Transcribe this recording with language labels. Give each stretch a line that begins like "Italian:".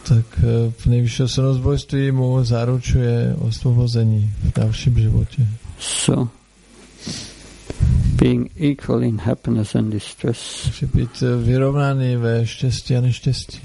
Czech: Tak v nejvyšší osobnosti mu zaručuje osvobození v dalším životě.
English: So being equal in happiness and distress.
Czech: Musí být vyrovnaný ve štěstí a neštěstí.